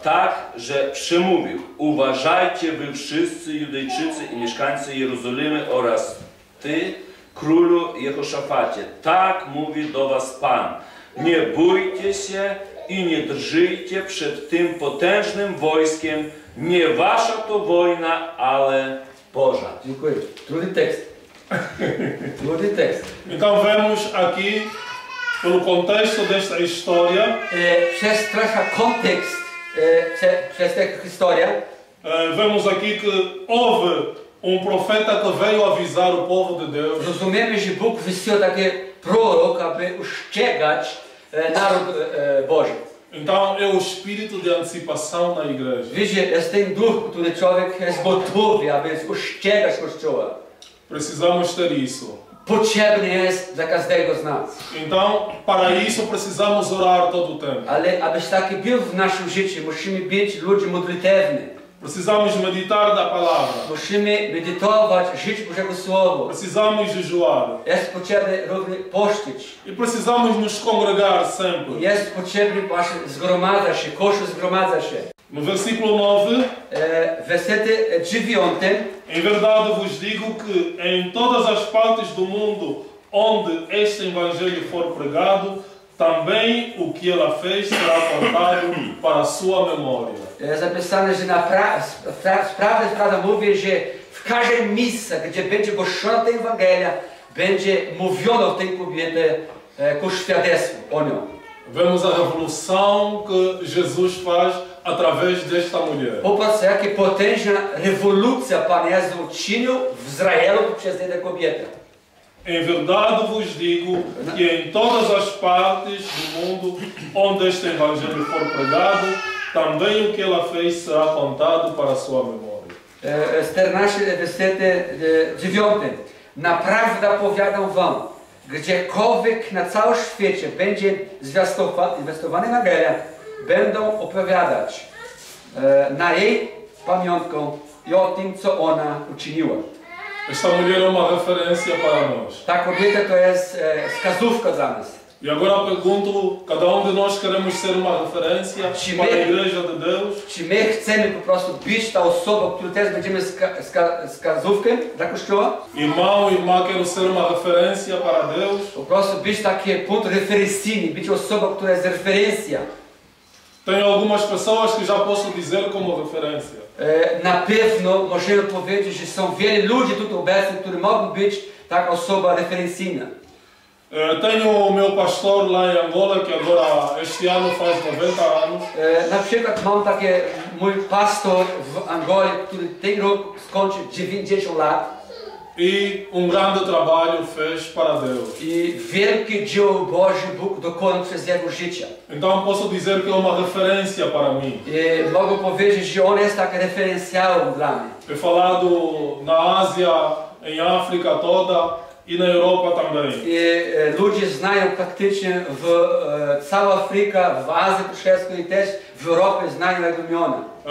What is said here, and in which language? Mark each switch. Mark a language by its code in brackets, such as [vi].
[pl] Tak, że przemówił: uważajcie wy wszyscy Judejczycy i mieszkańcy Jerozolimy oraz ty, królu Jehoszafacie. Tak mówi do was Pan. Nie bójcie się i nie drżyjcie przed tym potężnym wojskiem. Nie wasza to wojna, ale Boża. Dziękuję. Trudny tekst. Trudny tekst. [pt] Então vemos aqui, pelo contexto desta história. [pl] Przez trochę kontekst, przez tę historię. [pt] Vemos aqui que houve um profeta que veio avisar o povo de Deus. [pl] Rozumiemy, że Bóg wysyła taki prorok, aby ostrzegać naród Boży. [pt] Então é o espírito de antecipação na igreja. [pl] Widzicie, jest ten duch, który człowiek jest gotowy, aby ostrzegać Kościoła. [pt] Precisamos ter isso. [pl] Potrzebny jest dla każdego z nas. [pt] Então, para isso precisamos orar todo o tempo. [pl] Ale aby taki był w naszym życiu, musimy być ludźmi modlitewni. [pt] Precisamos meditar na palavra. [pl] Musimy medytować, żyć Bożego Słowo. [pt] Precisamos jejuar. [pl] Jest potrzebny również pościć. [pt] I precisamos nos congregar sempre. [pl] Jest potrzebny właśnie zgromadzać się, Kościół zgromadza się. [pt] No versículo 9. [pl] Versete 9. [pt] Em verdade vos digo que em todas as partes do mundo onde este evangelho for pregado, também o que ela fez será contado para a sua memória. [pl] É zapisane, że sprawa jest prawda, mówię, że w każdym miejscu, gdzie będzie głoszona ta Ewangelia, będzie mówiono o tej kobiety ku świadectwu o nią. [pt] Vemos a revolução que Jesus faz através desta mulher. [pl] Popatrz, jaka potężna rewolucja Pan Jezus uczynił w Izraelu przez tę kobietę. [pt] Em verdade vos digo que em todas as partes do mundo onde este evangelho for pregado, também o que ela fez será contado para a sua memória. 14, 9. [pl] Naprawdę powiadam wam, gdziekolwiek na całym świecie będzie zwiastowany Ewangelia, będą opowiadać na jej pamiątką i o tym, co ona uczyniła. [pt] Esta mulher é uma referência para nós. [pl] Ta kobieta to jest wskazówka dla nas. [pt] E agora pergunto, cada de nós queremos ser uma referência para a igreja de Deus? [pl] Czy my chcemy po prostu być ta osoba, którą też będziemy wskazówkę dla Kościoła? [pt] Irmão, irmã, quero ser uma referência para Deus? [pl] Po prostu być taki ponto referencyjny, być osoba, która jest referencja. [pt] Tenho algumas pessoas que já posso dizer como referência. [pl] Na pewno możemy powiedzieć, że są wiele ludzi tutaj obecni, którzy mogą być taka osoba referencyjna. [pt] Tenho o meu pastor lá em Angola, que agora este ano faz 90 anos. [pl] Na przykład mam taki mój pastor w Angolii, który tem roku skończył 90 lat. [pt] E grande trabalho fez para Deus. [pl] E wielkie dzieło Boże Bóg dokonał przez jego życie. [pt] Então posso dizer que é uma referência para mim. [pl] Mogę powiedzieć, że on jest taki referencjał dla mnie. [pt] Foi falado na Ásia, em África toda. I na Europa também. [pl] Ludzie znają praktycznie w cała Afryka, w Azji Puszczewską i też w Europie znają jego imiona.